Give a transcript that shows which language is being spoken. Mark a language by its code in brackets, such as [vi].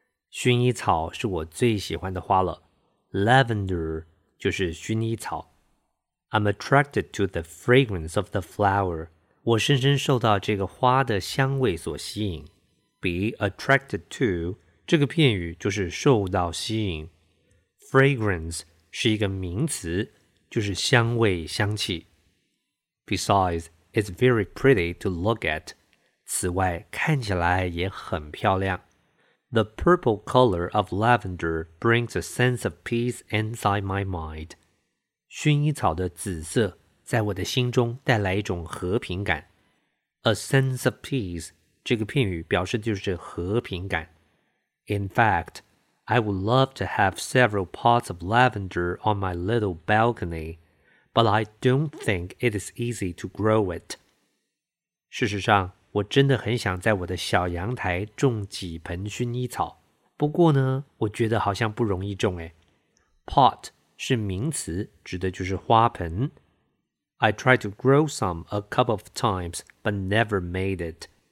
[zh] 薰衣草是我最喜欢的花了。 Lavender 就是薰衣草。 [en] I'm attracted to the fragrance of the flower. [zh] 我深深受到这个花的香味所吸引。 [en] Be attracted to, [zh] 这个片语就是受到吸引。 Fragrance,是一个名词，就是香味、香气。 [en] Besides, it's very pretty to look at. [zh] 此外，看起来也很漂亮。 [en] The purple color of lavender brings a sense of peace inside my mind. [zh] 薰衣草的紫色在我的心中带来一种和平感。 [en] A sense of peace, [zh] 这个片语表示就是和平感。 [en] In fact,I would love to have several pots of lavender on my little balcony, but I don't think it is easy to grow it. [zh] 事实上，我真的很想在我的小阳台种几盆薰衣草。不过呢，我觉得好像不容易种诶。 Pot 是名词，指的就是花盆。 [en] I tried to grow some a couple of times, but never made it.